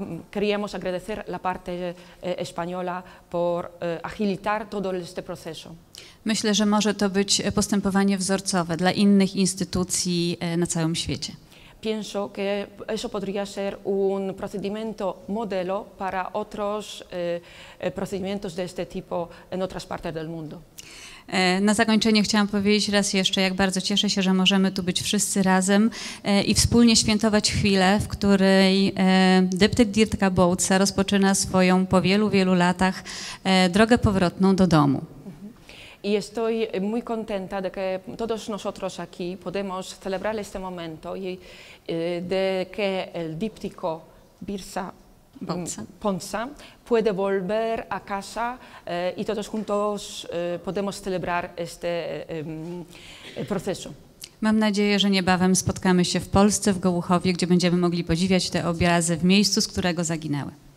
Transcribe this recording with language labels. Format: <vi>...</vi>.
<es>Queríamos agradecer la parte española por agilizar todo este proceso.</es> <pl>Myślę, że może to być postępowanie wzorcowe dla innych instytucji na całym świecie.</pl> <es>Pienso que eso podría ser un procedimiento modelo para otros procedimientos de este tipo en otras partes del mundo.</es> <pl>Na zakończenie chciałam powiedzieć raz jeszcze, jak bardzo cieszę się, że możemy tu być wszyscy razem i wspólnie świętować chwilę, w której dyptyk Dirka Boutsa rozpoczyna swoją po wielu, wielu latach drogę powrotną do domu.</pl> <es>Y estoy muy contenta de que todos nosotros aquí podemos celebrar este momento y de que el díptico Birsa Ponsa puede volver a casa y todos juntos podemos celebrar este proceso.</es> <pl>Mam nadzieję, że niebawem spotkamy się w Polsce, w Gołuchowie, gdzie będziemy mogli podziwiać te obrazy w miejscu, z którego zaginęły.</pl>